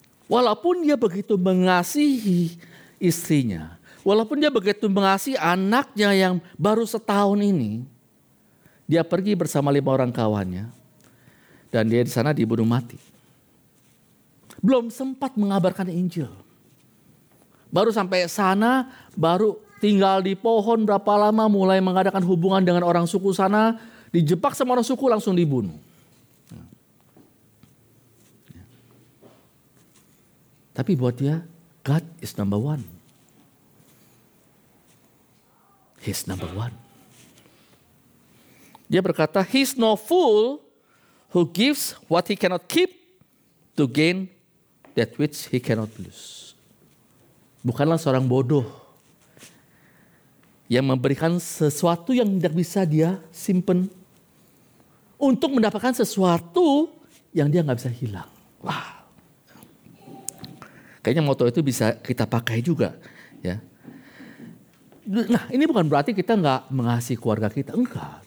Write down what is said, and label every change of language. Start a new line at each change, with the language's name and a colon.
Indonesian: Walaupun dia begitu mengasihi istrinya, walaupun dia begitu mengasihi anaknya yang baru setahun ini, dia pergi bersama 5 orang kawannya dan dia di sana dibunuh mati. Belum sempat mengabarkan Injil. Baru sampai sana, baru tinggal di pohon berapa lama, mulai mengadakan hubungan dengan orang suku sana, dijebak sama orang suku, langsung dibunuh. Tapi buat dia,
English: God is number one. He's number one.
Indonesian: Dia berkata,
English: he's no fool who gives what he cannot keep to gain that which he cannot lose.
Indonesian: Bukanlah seorang bodoh yang memberikan sesuatu yang tidak bisa dia simpen untuk mendapatkan sesuatu yang dia gak bisa hilang. Wah. Kayaknya moto itu bisa kita pakai juga, ya. Nah, ini bukan berarti kita gak mengasihi keluarga kita. Enggak.